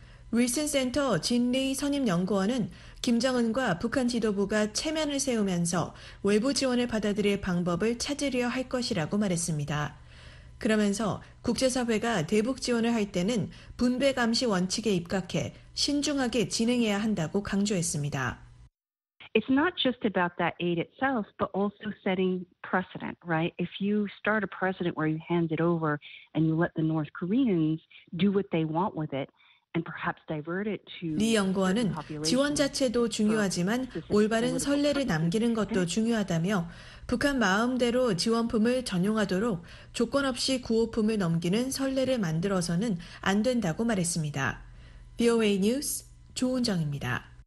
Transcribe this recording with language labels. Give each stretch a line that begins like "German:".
Korean: 윌슨 센터 진리 선임 연구원은 김정은과 북한 지도부가 체면을 세우면서 외부 지원을 받아들일 방법을 찾으려 할 것이라고 말했습니다. 그러면서 국제사회가 대북 지원을 할 때는 분배 감시 원칙에 입각해 신중하게 진행해야 한다고 강조했습니다.
English: It's not just about that aid itself, but also setting precedent, right? If you start a precedent where you hand it over and you let the North Koreans do what they want with it, and perhaps divert it to.
Korean: 리 연구원은 지원 자체도 중요하지만 올바른 선례를 남기는 것도 중요하다며 북한 마음대로 지원품을 전용하도록 조건 없이 구호품을 넘기는 선례를 만들어서는 안 된다고 말했습니다. VOA 뉴스 조은정입니다.